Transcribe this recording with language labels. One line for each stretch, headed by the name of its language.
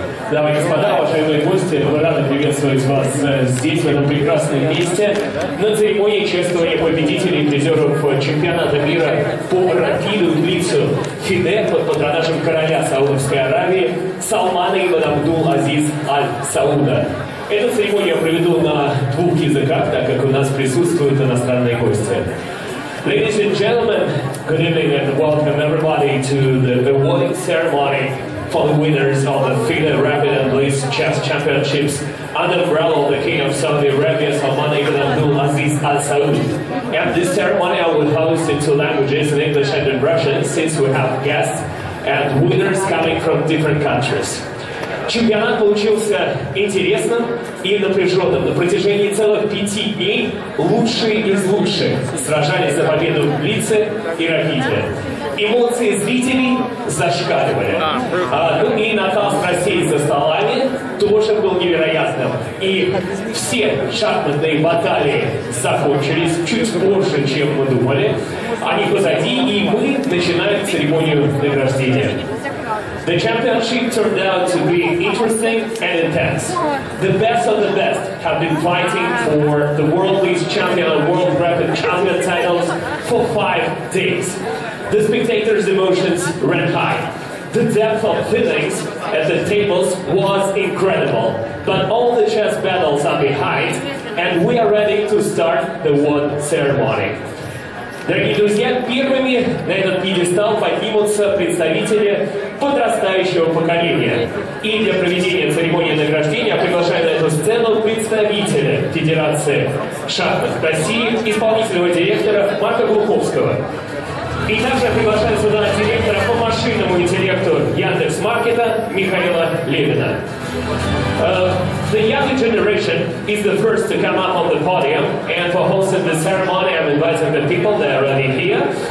Russian: Дамы и господа, уважаемые гости, мы рады приветствовать вас здесь, в этом прекрасном месте, на церемонии чествования победителей и призеров чемпионата мира по рапиду длицу Фиде под патронажем короля Саудовской Аравии Салмана ибн Абдул-Азиз Аль-Сауда. Эту церемонию я проведу на двух языках, так как у нас присутствуют иностранные гости.
English: Ladies and gentlemen, good evening and welcome everybody to the awarding ceremony for the winners of the FIDE Rapid and Blitz Chess Championships under the umbrella of the King of Saudi Arabia, Salman ibn Abdul Aziz Al Saud. And this ceremony I will host in two languages, in English and in Russian, since we have guests and winners coming from different countries.
Russian: Чемпионат получился интересным и напряженным. На протяжении целых пяти дней лучшие из лучших сражались за победу в блице и рапиде. Эмоции зрителей зашкаливали. Ну и накал страстей за столами тоже был невероятным. И все шахматные баталии закончились чуть позже, чем мы думали. Они позади, и мы начинаем церемонию награждения.
English: The championship turned out to be interesting and intense. The best of the best have been fighting for the World League Champion and World Rapid Champion titles for 5 days. The spectators' emotions ran high. The depth of feelings at the tables was incredible. But all the chess battles are behind, and we are ready to start the one ceremony.
Russian: Дорогие друзья, первыми на этот пьедестал поднимутся представители подрастающего поколения. И для проведения церемонии награждения приглашаю на эту сцену представителя Федерации шахмат России, исполнительного директора Марка Глуховского. И также приглашаю сюда директора по машинному интеллекту Яндекс.Маркета Михаила Левина.
English: The younger generation is the first to come up on the podium, and for hosting the ceremony, I'm inviting the people that are already here.